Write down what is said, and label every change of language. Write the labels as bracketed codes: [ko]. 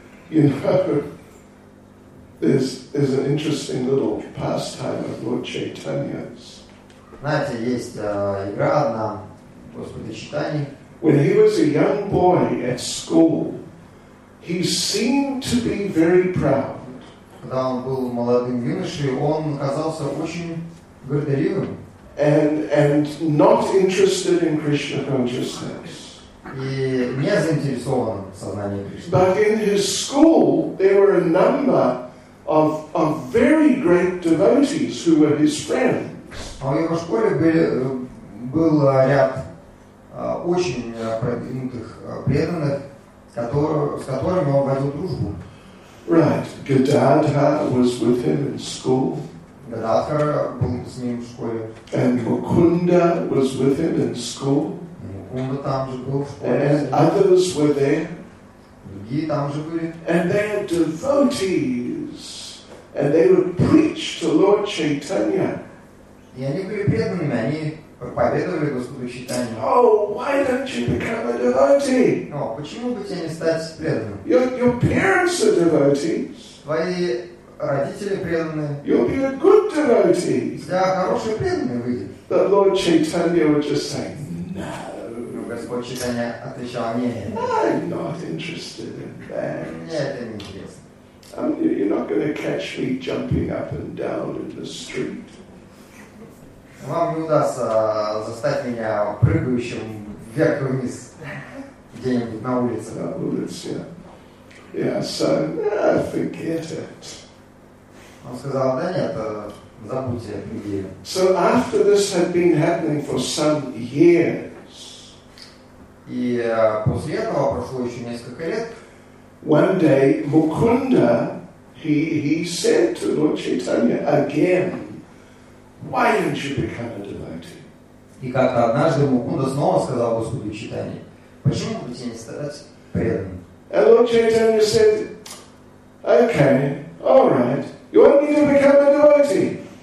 [en] Yeah. You know, there's an interesting little pastime of Lord Chaitanya's. [ru] Знаете, есть игра одна, Господи Читани. [en] When he was a young boy at school, he seemed to be very proud. [ru] Когда он был молодым юношей, он казался очень горделивым. [en] And not interested in Krishna consciousness. [ru] И не заинтересован в сознании Кришны. [en] But in his school there were a number of very great devotees who were his friends. [ru] А в его школе был ряд очень продвинутых преданных, с которыми он водил дружбу. [en] Right. Gadadhar was with him in school. [ru] Gadadhar был с ним в школе. [en] And Mukunda was with him in school. [ru] Mukunda там же был в школе. [en] And others were there. [ru] Другие там же были. [en] And they had devotees. And they would preach to Lord Chaitanya. [ru] И они были преданными, они проповедовали Господу Читанию. [en] Oh, why don't you become a devotee? [ru] Но почему бы тебе не стать преданным? [en] Your parents are devotees. [ru] Твои родители преданные. [en] You'll be a good devotee. [ru] Да, хороший преданный выйдешь. [en] But Lord Chaitanya would just say, no. [ru] Но Господь Читания отвечал, нет. [en] I'm not interested in that. [ru] Мне это не интересно. [en] I mean, you're not going to catch me jumping up and down in the street. [ru] Вам не удастся застать меня прыгающим вверх и вниз где-нибудь на улице. На улице, [en] yeah. Yeah, so, forget it. [ru] Он сказал, да нет, забудьте эту идею. [en] So after this had been happening for some years, [ru] и после этого прошло еще несколько лет, [en] one day Mukunda, he said to Lord Chaitanya again, why didn't you become a devotee? [ru] И как-то однажды Мукунда снова сказал Господу Читани, почему бы тебе не стараться преданным? [en] And Lord Chaitanya said, okay, all right, you want me to become a devotee?